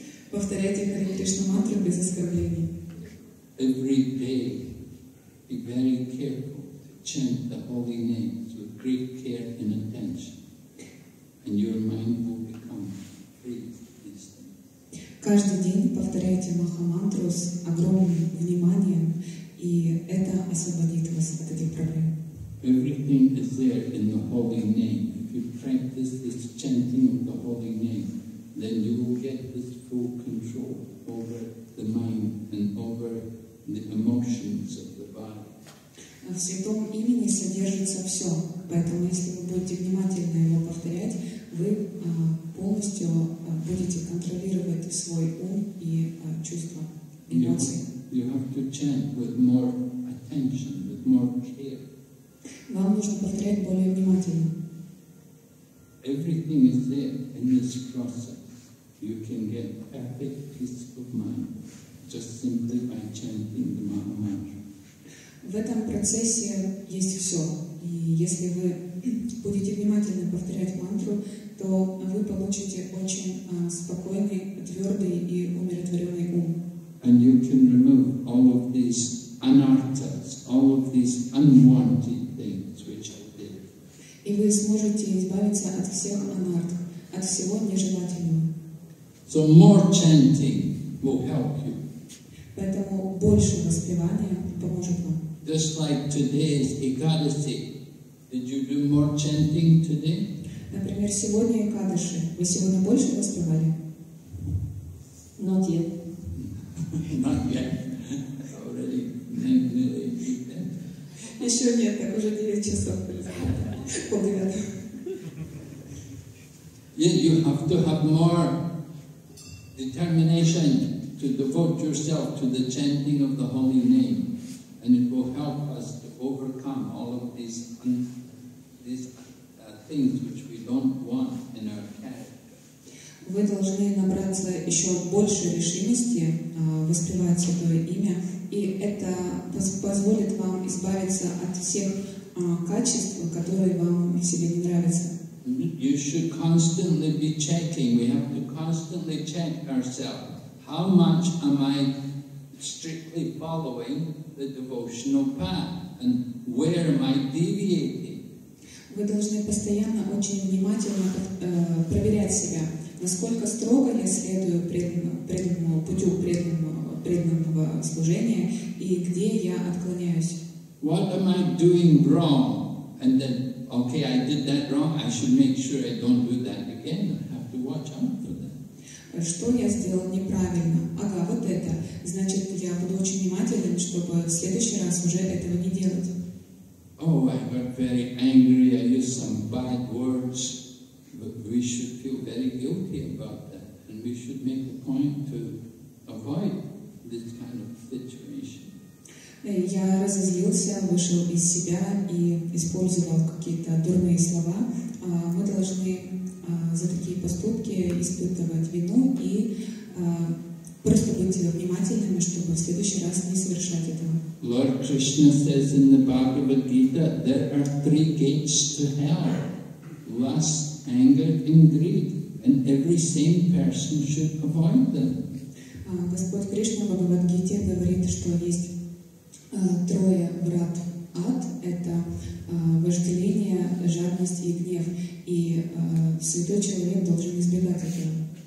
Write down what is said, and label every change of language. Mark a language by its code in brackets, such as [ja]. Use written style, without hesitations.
[ru] Повторяйте Харе Кришна мантру без оскорблений. [en] Every day, be very careful to chant the holy names with great care and attention, and your mind will become free from these things. [ru] Каждый день повторяйте Махамантру с огромным вниманием, и это освободит вас от этих проблем. [en] Everything is there in the holy name. If you practice this chanting of the holy name, then you will get this full control over the mind and over the emotions of the body. [ru] В святом имени содержится все, поэтому если вы будете внимательно его повторять, вы полностью будете контролировать свой ум и чувства, эмоции. [en] You have to chant with more attention, with more care. [ru] Вам нужно повторять более внимательно. [en] Everything is there in this process. You can get perfect peace of mind just simply by chanting the Maha Mantra. [ru] В этом процессе есть все. И если вы будете внимательно повторять мантру, то вы получите очень спокойный, твердый и умиротворенный ум. [en] And you can remove all of these anarthas, all of these unwanted things which are there. [ru] И вы сможете избавиться от всех анарх, от всего нежелательного. [en] So more chanting will help you. [ru] Поэтому больше воспевания поможет вам. [en] Just like today's Ekadasi, did you do more chanting today? [ru] Например, сегодня Экадаши. Вы сегодня больше воспевали? [en] Not yet. Not yet. Already 9:30. [ru] Еще нет, так уже 9 часов. Полдевятого. [en] Yet you have to have more determination to devote yourself to the chanting of the holy name. And it will help us to overcome all of these things which we don't want in our character. [ru] Вы должны набраться еще больше решимости воспевать Святое Имя, и это позволит вам избавиться от всех качеств, которые вам в себе не нравятся. [en] You should constantly be checking. We have to constantly check ourselves. How much am I strictly following the devotional path, and where am I deviating? [ru] Вы должны постоянно очень внимательно проверять себя, насколько строго я следую преданному путю преданного служения и где я отклоняюсь. [en] What am I doing wrong? And then, okay, I did that wrong. I should make sure I don't do that again. I have to watch out. [ru] Что я сделал неправильно? Ага, вот это. Значит, я буду очень внимателен, чтобы в следующий раз уже этого не делать. [en] Oh, I got very angry. I used some bad words. But we should feel very guilty about that. And we should make a point to avoid this kind of situation. [ru] Я разозлился, вышел из себя и использовал какие-то дурные слова. Мы должны за такие поступки испытывать вину и просто быть внимательными, чтобы в следующий раз не совершать этого. [en] Lord Krishna says in the Bhagavad Gita, there are three gates to hell: lust, anger, and greed, and every sane person should avoid them. [ru] Господь Кришна в Бхагавад Гите говорит, что есть трое врат ад: это вожделение, жадность и гнев. И святой человек должен избегать этого.